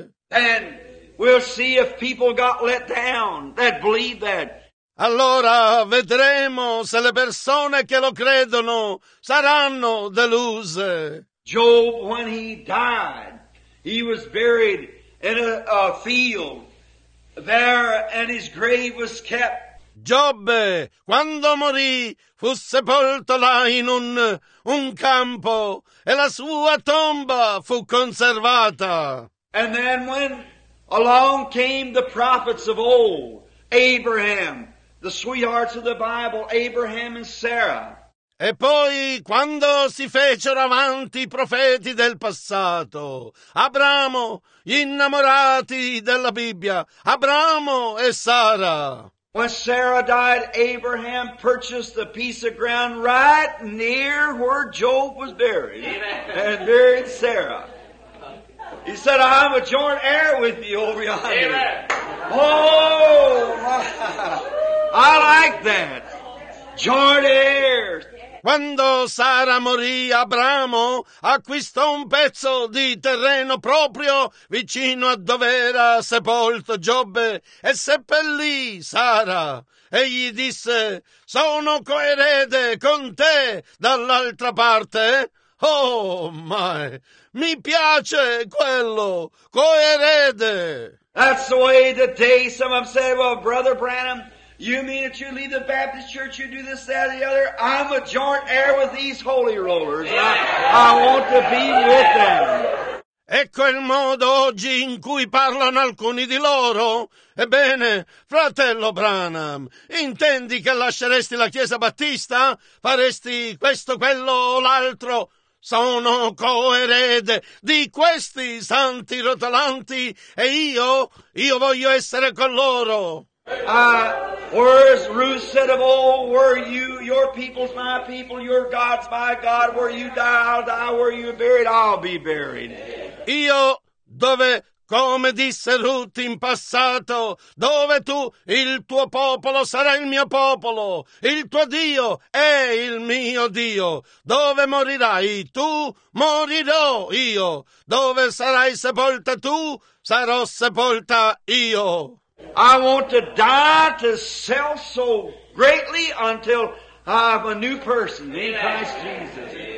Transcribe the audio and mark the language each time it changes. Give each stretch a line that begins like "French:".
English: And we'll see if people got let down that believe that.
Italian: Allora vedremo se le persone che lo credono saranno deluse.
English: Job, when he died, he was buried in a field there, and his grave was kept.
Italian: Giobbe, quando morì, fu sepolto là in un campo, e la sua tomba fu conservata.
English: And then when along came the prophets of old, Abraham, the sweethearts of the Bible, Abraham and Sarah.
Italian: E poi, quando si fecero avanti i profeti del passato, Abramo, gli innamorati della Bibbia, Abramo e Sara.
English: When Sarah died, Abraham purchased a piece of ground right near where Job was buried. Amen. And buried Sarah. He said, I'm a joint heir with you over yonder. Amen. Oh, I like that. Joint heirs.
Italian: Quando Sara morì, Abramo acquistò un pezzo di terreno proprio vicino a dove era sepolto Giobbe e seppellì Sara. Egli disse, sono coerede con te dall'altra parte. Oh, ma mi piace quello, coerede.
English: That's the way today some have said, well, Brother Branham, you mean that you leave the Baptist church, you do this, that, or the other? I'm a joint heir with these holy rollers. I want to be with them.
Italian: Ecco il modo oggi in cui parlano alcuni di loro. Ebbene, fratello Branham, intendi che lasceresti la Chiesa Battista? Faresti questo, quello o l'altro? Sono coerede di questi santi rotolanti e io voglio essere con loro.
English: Where's Ruth said of old, were you, your people's my people, your God's my God, where you die, I'll die, where you're buried, I'll be buried.
Italian: Io, dove, come disse Ruth in passato, dove tu, il tuo popolo sarà il mio popolo, il tuo Dio è il mio Dio, dove morirai tu, morirò io, dove sarai sepolta tu, sarò sepolta io.
English: I want to die to self so greatly until I'm a new person in Christ Jesus.